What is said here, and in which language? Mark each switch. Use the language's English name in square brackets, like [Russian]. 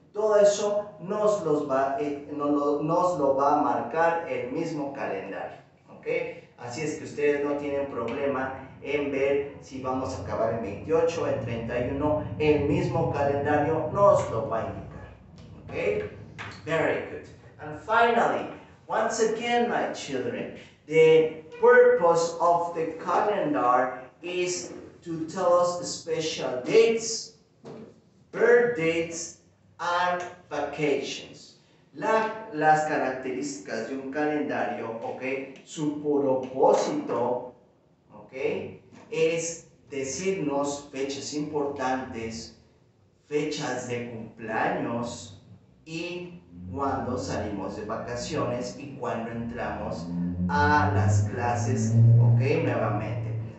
[Spanish] Todo eso nos lo va a marcar el mismo calendario, ¿ok? Así es que ustedes no tienen problema en ver si vamos a acabar en 28 o en 31. El mismo calendario nos lo va a indicar, ¿ok? [English] Very good. And finally, once again, my children, the purpose of the calendar is to tell us special dates, birth dates, and vacations. [Spanish] Las características de un calendario, okay, su propósito, okay, es decirnos fechas importantes, fechas de cumpleaños, y cuando salimos de vacaciones y cuando entramos a las clases, ok, nuevamente.